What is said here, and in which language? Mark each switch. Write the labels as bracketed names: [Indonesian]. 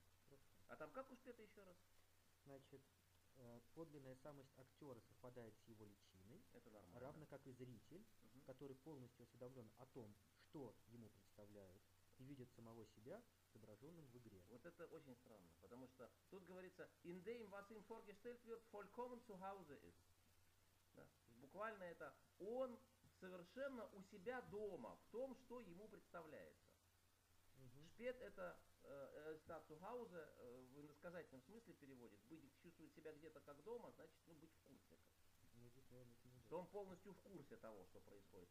[Russian] Да. А там как уж ты это еще раз? Значит, подлинная самость актера совпадает с его личиной. Это нормально. Равно как и зритель, угу, который полностью осведомлен о том, что ему представляют, и видит самого себя изображенным в игре. Вот это очень странно, потому что тут говорится [German] «In dem, was ihm vorgestellt wird, vollkommen zu Hause ist». [Russian] Да. Буквально это «он совершенно у себя дома, в том, что ему представляется». Угу. Шпет это [German] «zu Hause» [Russian] в иносказательном смысле переводит. Быть, чувствует себя где-то как дома, значит, ну, быть в курсе. Что он полностью в курсе того, что происходит.